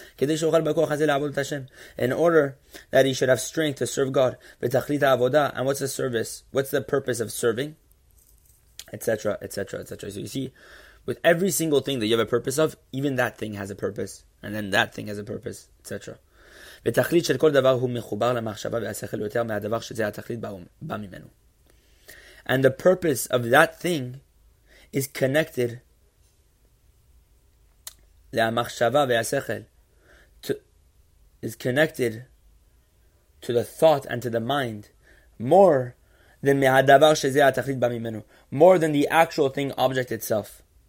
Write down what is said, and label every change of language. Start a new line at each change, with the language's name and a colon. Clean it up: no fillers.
Hebrew: Kedesh yochal bekoach hazeh la'avod et Hashem,
English: in order that he should have strength to serve God. Tachlit ha'avodah, and what's the service? What's the purpose of serving? Etc., etc., etc. So you see, with every single thing that you have a purpose of, even that thing has a purpose, and then that thing has a purpose, etc.
Hebrew: ותכלית של כל דבר הוא מחובר למחשבה והשכל יותר מהדבר שזה התכלית בא ממנו.
English: And the purpose of that thing is connected.
Hebrew: la'machshava ve'asechel,
English: is connected to the thought and to the mind more than
Hebrew: mehadavar shezeh atachlit b'mimenu,
English: more than the actual thing object itself.